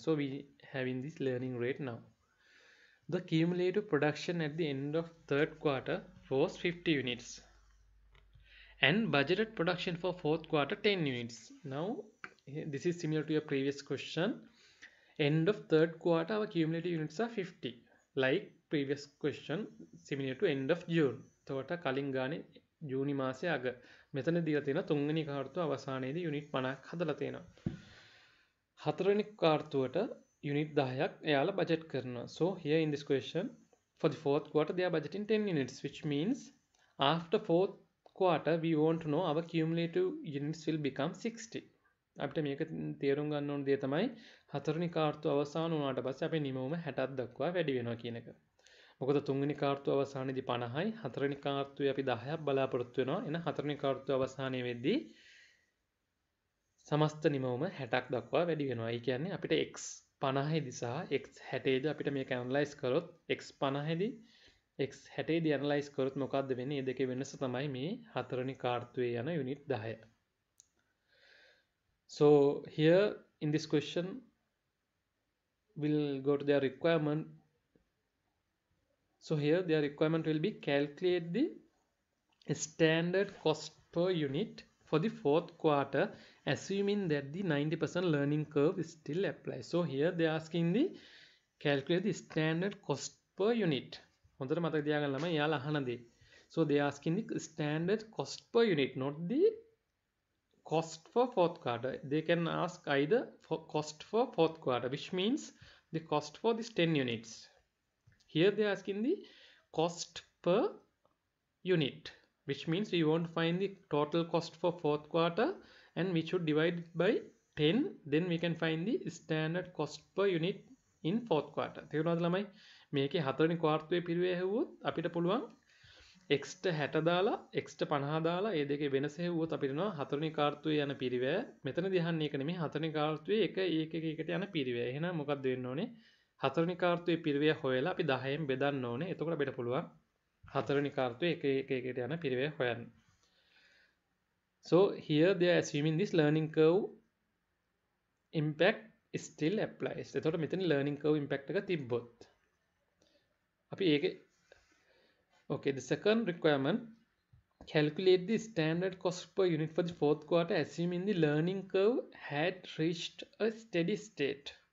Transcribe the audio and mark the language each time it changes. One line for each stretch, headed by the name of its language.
English: So we have in this learning rate now. The cumulative production at the end of third quarter was 50 units and budgeted production for fourth quarter 10 units. Now this is similar to your previous question. End of third quarter our cumulative units are 50, like previous question, similar to end of June. So what are
Sinhala: kalingani ජූනි මාසයේ අග මෙතන දීලා තියෙනවා තුන්වෙනි කාර්තුව අවසානයේදී unit 50ක් හදලා තියෙනවා හතරවෙනි කාර්තුවට යුනිට් 10ක් එයාලා බජට් කරනවා
English: so here in this question for the fourth quarter they are budgeting 10 units which means after fourth quarter we want to know our cumulative units will become 60
Sinhala: අපිට මේක තේරුම් ගන්න ඕන දේ තමයි හතරවෙනි කාර්තුව අවසන් වුණාට පස්සේ අපි නිමවම 60ක් දක්වා වැඩි වෙනවා කියන එක මොකද තුන්වෙනි කාර්තුව අවසානයේදී 50යි හතරවෙනි කාර්තුවේ අපි 10ක් බලාපොරොත්තු වෙනවා එන හතරවෙනි කාර්තුව අවසානයේ වෙද්දී සමස්ත නිමවම 60ක් දක්වා වැඩි වෙනවා. ඒ කියන්නේ අපිට x 50ේදී සහ x 60ේදී අපිට මේක ඇනලයිස් කරොත් x 50ේදී x 60ේදී ඇනලයිස් කරොත් මොකද්ද වෙන්නේ? මේ දෙකේ වෙනස තමයි මේ හතරවෙනි කාර්තුවේ යන unit 10.
English: So here in this question we'll go to their requirement. So here their requirement will be calculate the standard cost per unit for the fourth quarter assuming that the 90% learning curve is still applies. So here they are asking the calculate the standard cost per unit.
Sinhala: හොඳට මතක තියාගන්න ළමයි යාල අහන දේ.
English: So they are asking the standard cost per unit, not the cost for fourth quarter. They can ask either for cost for fourth quarter, which means the cost for these 10 units. Here they are asking the cost per unit, which means we want to find the total cost for fourth quarter, and we should divide it by 10, then we can find the standard cost per unit in fourth quarter.
Sinhala: තේරුණාද ළමයි? මේකේ හතරවෙනි ක්වාර්තුවේ පිරුවේ ඇහුවොත් අපිට පුළුවන් x ට 60 දාලා x ට 50 දාලා ඒ දෙකේ වෙනස ඇහුවොත් අපිට නෝ හතරවෙනි ක්වාර්තුවේ යන පිරිවැය. මෙතනදී අහන්නේ ඒක නෙමෙයි හතරවෙනි ක්වාර්තුවේ එක එක එක එකට යන පිරිවැය. එහෙනම් මොකක්ද වෙන්න ඕනේ? හතරවෙනි ක්වාර්තුවේ පිරිවැය හොයලා අපි 10 න් බෙදන්න ඕනේ. එතකොට අපිට පුළුවන් හතරවෙනි ක්වාර්තුවේ එක එක එක එකට යන පිරිවැය හොයන්න.
English: So here they are assuming this learning curve impact still applies. So that means learning curve impact is tibbot. Okay, the second requirement, calculate the standard cost per unit for the fourth quarter assuming the learning curve had reached a steady state.